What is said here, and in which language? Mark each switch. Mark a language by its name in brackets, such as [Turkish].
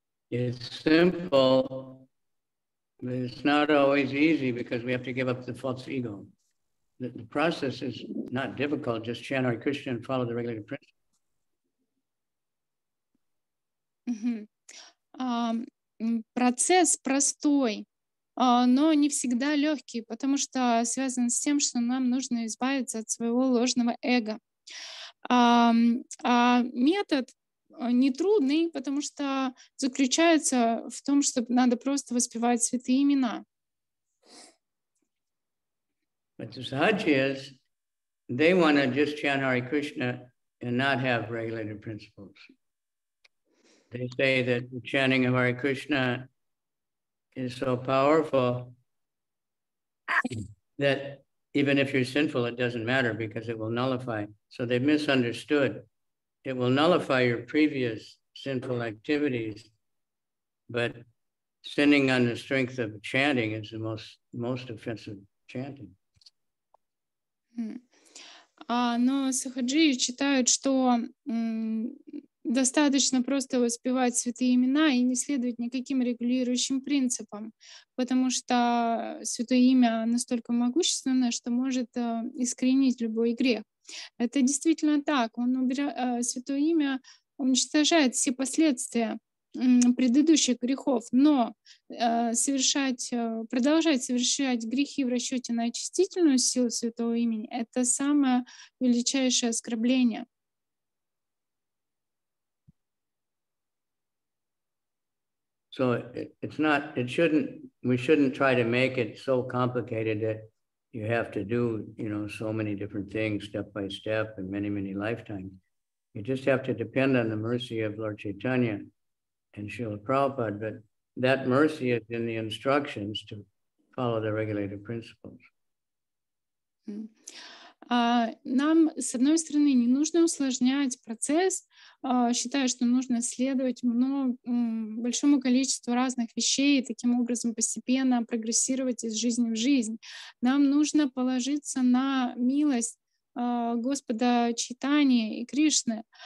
[English] It's simple, but it's not always easy because we have to give up the false ego. The process is not difficult, just chant Hare Krishna and follow the regulated principle. Mm-hmm. [Russian] Процесс простой, но не всегда легкий, потому что связан с тем, что нам нужно избавиться от своего ложного эго. А метод нетрудный, потому что заключается в том, что надо просто воспевать святые имена. [English] But the sahajiyas, they want to just chant Hare Krishna and not have regulated principles. They say that the chanting of Hare Krishna is so powerful that even if you're sinful, it doesn't matter because it will nullify. So they misunderstood. It will nullify your previous sinful activities, but sinning on the strength of chanting is the most offensive chanting. [Russian] Но сахаджии считают, что достаточно просто воспевать святые имена и не следовать никаким регулирующим принципам, потому что святое имя настолько могущественное, что может искоренить любой грех. Это действительно так. Святое имя уничтожает все последствия предыдущих грехов, но продолжать совершать грехи в расчете на очистительную силу святого имени — это самое величайшее оскорбление. [English] So it's not, we shouldn't try to make it so complicated that you have to do, you know, so many different things step by step and many, many lifetimes. You just have to depend on the mercy of Lord Chaitanya and Srila Prabhupada, but that mercy is in the instructions to follow the regulative principles. [Russian] Нам, с одной стороны, не нужно усложнять процесс, считая, что нужно следовать большому количеству разных вещей и таким образом постепенно прогрессировать из жизни в жизнь. Нам нужно положиться на милость Господа Чайтани и Кришны.